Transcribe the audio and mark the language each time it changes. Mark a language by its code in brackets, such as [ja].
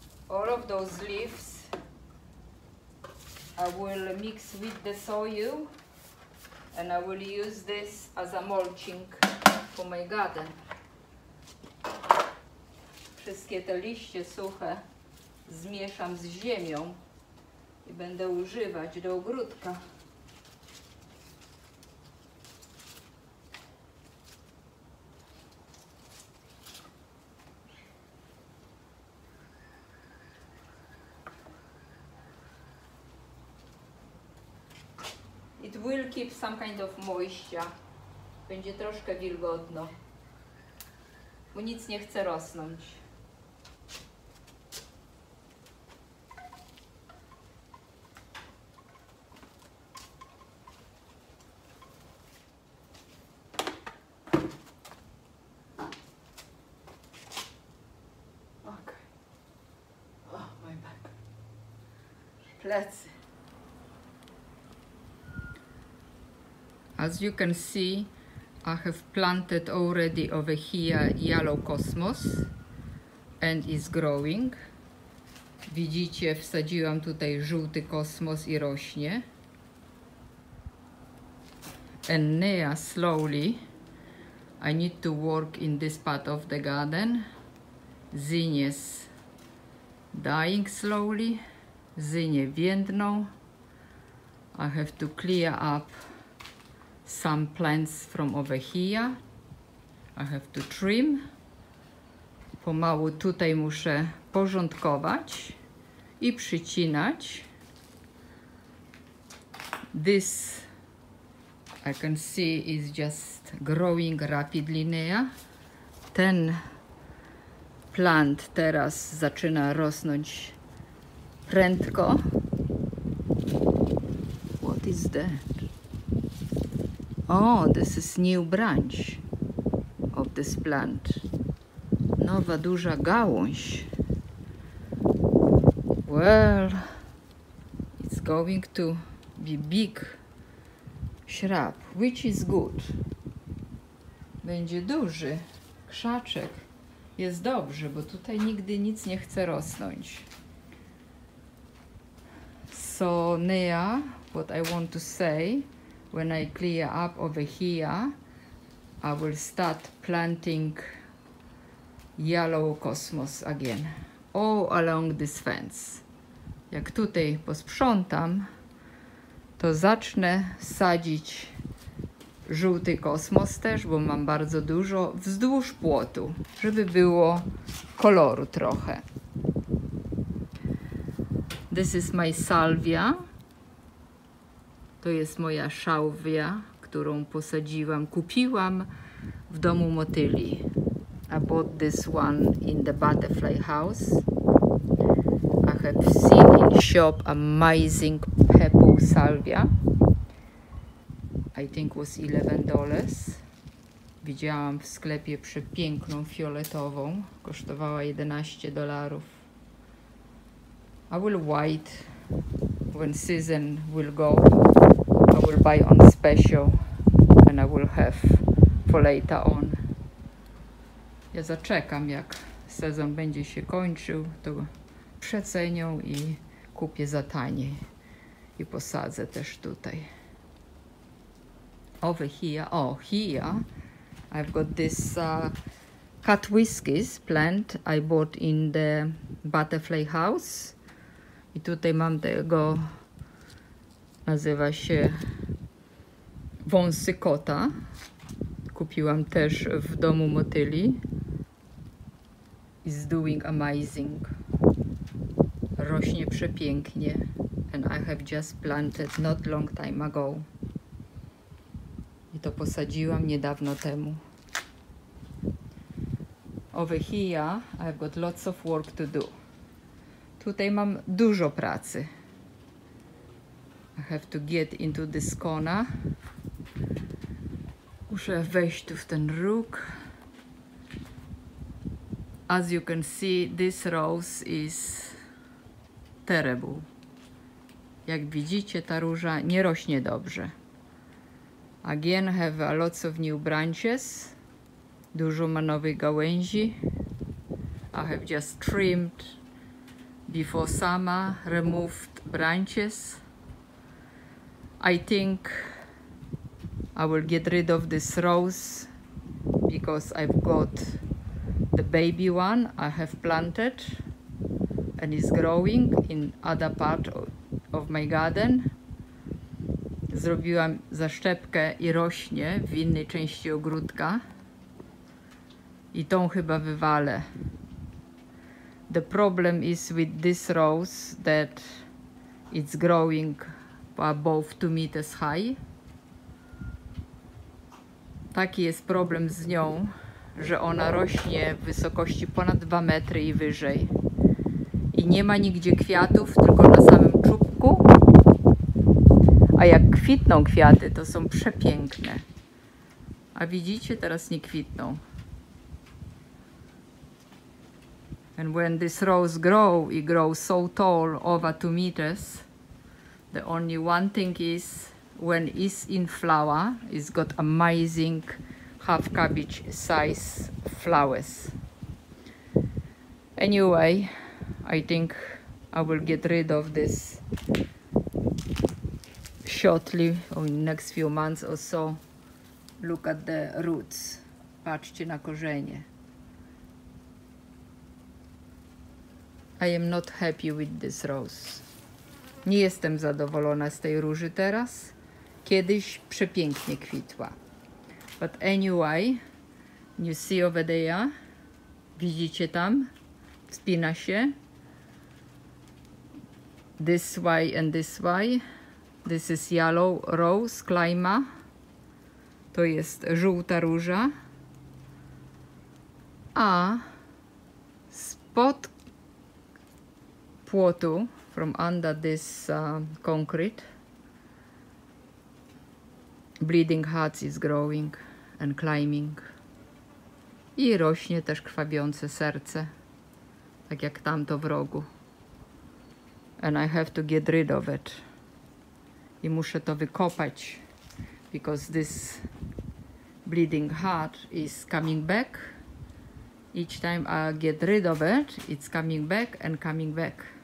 [en] All of those leaves I will mix with the soil and I will use this as a mulching for my garden. [pl] Wszystkie te liście suche zmieszam z ziemią i będę używać do ogródka. [en] It will keep some kind of moisture. [pl] Będzie troszkę wilgotno. Bo nic nie chce rosnąć. [en] Okay. Oh, my back. [pl] Plecy. [en] As you can see, I have planted already over here yellow cosmos and is growing. [pl] Widzicie, wsadziłam tutaj żółty kosmos i rośnie. [en] And now slowly I need to work in this part of the garden. Zinnias dying slowly. [pl] Zinnie więdną. [en] I have to clear up some plants from over here. I have to trim. [pl] Pomału tutaj muszę porządkować i przycinać. [en] This, I can see, is just growing rapidly now. [pl] Ten plant teraz zaczyna rosnąć prędko. [en] What is that? Oh, this is new branch. this plant. [pl] Nowa duża gałąź. [en] Well, it's going to be big shrub, which is good. [pl] Będzie duży krzaczek. Jest dobrze, bo tutaj nigdy nic nie chce rosnąć. [en] So, Nea, what I want to say, when I clear up over here, I will start planting yellow cosmos again, all along this fence. [pl] Jak tutaj posprzątam, to zacznę sadzić żółty kosmos też, bo mam bardzo dużo, wzdłuż płotu, żeby było koloru trochę. [en] This is my salvia. [pl] To jest moja szałwia, którą posadziłam, kupiłam w domu motyli. [en] I bought this one in the butterfly house. I have seen in shop amazing purple salvia. I think was $11. [pl] Widziałam w sklepie przepiękną fioletową. Kosztowała $11. [en] I will white when season will go. I will buy on special and I will have for later on. [pl] Ja zaczekam, jak sezon będzie się kończył, to przecenią i kupię za taniej i posadzę też tutaj. [en] Over here, oh here, I've got this cut whiskies plant I bought in the butterfly house. [pl] I tutaj mam tego, nazywa się wąsy kota. Kupiłam też w domu motyli. [en] Is doing amazing. [pl] Rośnie przepięknie. [en] And I have just planted not long time ago. [pl] I to posadziłam niedawno temu. [en] Over here I've got lots of work to do. [pl] Tutaj mam dużo pracy. [en] I have to get into this corner. [pl] Muszę wejść tu w ten róg. [en] As you can see, this rose is terrible. [pl] Jak widzicie, ta róża nie rośnie dobrze. [en] Again, have a lots of new branches. [pl] Dużo ma nowych gałęzi. [en] I have just trimmed before summer, removed branches. I think I will get rid of this rose because I've got the baby one I have planted and is growing in other part of my garden. [pl] Zrobiłam zaszczepkę i rośnie w innej części ogródka. I tą chyba wywalę. [en] The problem is with this rose that it's growing above 2 meters high. [pl] Taki jest problem z nią, że ona rośnie w wysokości ponad 2 metry i wyżej. I nie ma nigdzie kwiatów, tylko na samym czubku. A jak kwitną kwiaty, to są przepiękne. A widzicie, teraz nie kwitną. [en] And when this rose grow, it grows so tall, over 2 meters, the only one thing is, when it's in flower, it's got amazing half cabbage size flowers. Anyway, I think I will get rid of this shortly, or in next few months or so. Look at the roots. [pl] Patrzcie na korzenie. [en] I am not happy with this rose. [pl] Nie jestem zadowolona z tej róży teraz. Kiedyś przepięknie kwitła. [en] But anyway, you see over there, [pl] widzicie tam, wspina się. [en] This way and this way. This is yellow rose, klejma. [pl] To jest żółta róża. A spod płotu, [en] from under this concrete, Bleeding Hearts is growing and climbing. [pl] I rośnie też krwawiące serce, tak jak tamto w rogu. [en] And I have to get rid of it. [pl] I muszę to wykopać, [en] because this bleeding heart is coming back. Each time I get rid of it, it's coming back and coming back.